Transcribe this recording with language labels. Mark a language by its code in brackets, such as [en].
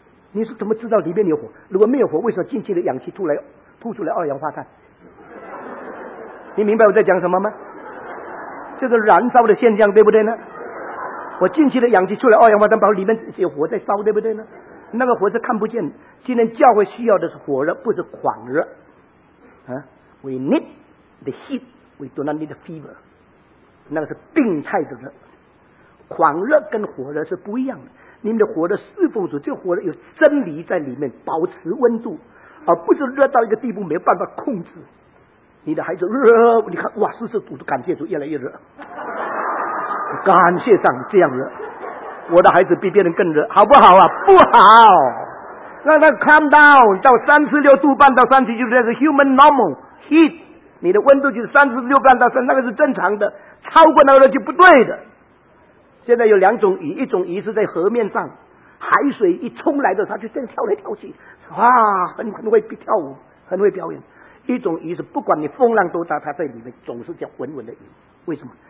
[zh] 你是怎么知道里面有火？如果没有火，为什么进去的氧气吐出来二氧化碳？你明白我在讲什么吗？就是燃烧的现象，对不对呢？我进去的氧气出来二氧化碳，包括里面有火在烧，对不对呢？那个火是看不见的。今天教会需要的是火热，不是狂热。 [en] We need the heat, we do not need the fever. [zh] 那个是病态的热。狂热跟火热是不一样的。你们的火热侍奉主，这个火热有真理在里面，保持温度，而不是热到一个地步没有办法控制。你的孩子热，你看哇，是是，主感谢主，越来越热。感谢上这样热。我的孩子比别人更热，好不好啊？不好。让他 calm down 到36.5度到37度，这是 human normal heat。你的温度就是36.5到37度，那个是正常的，超过那个就不对的。现在有两种鱼，一种鱼是在河面上，海水一冲来的它就这样跳来跳去，哇，很会跳舞，很会表演。一种鱼是不管你风浪多大，它在里面总是叫稳稳的鱼。为什么？